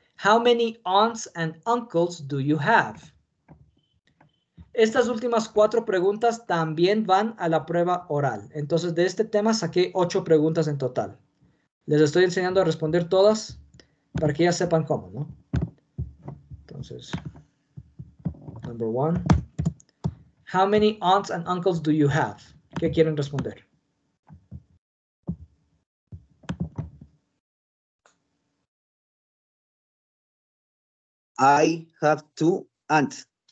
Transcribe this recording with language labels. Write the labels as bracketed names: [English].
[English] How many aunts and uncles do you have? [Spanish] Estas últimas cuatro preguntas también van a la prueba oral. Entonces, de este tema saqué 8 preguntas en total. Les estoy enseñando a responder todas para que ya sepan cómo, ¿no? Entonces, [English] number one. How many aunts and uncles do you have? [Spanish] ¿Qué quieren responder? [English] I have 2 aunts.